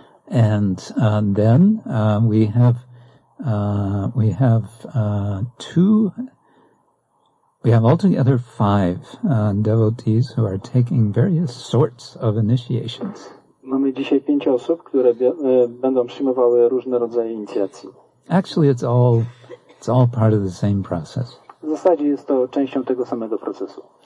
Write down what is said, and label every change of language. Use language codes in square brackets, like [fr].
[en] And then we have altogether five devotees who are taking various sorts of initiations. [pl] Mamy dzisiaj pięć osób, które będą przyjmowały różne rodzaje inicjacji. [en] Actually, it's all part of the same process. [pl] W zasadzie jest to częścią tego samego procesu.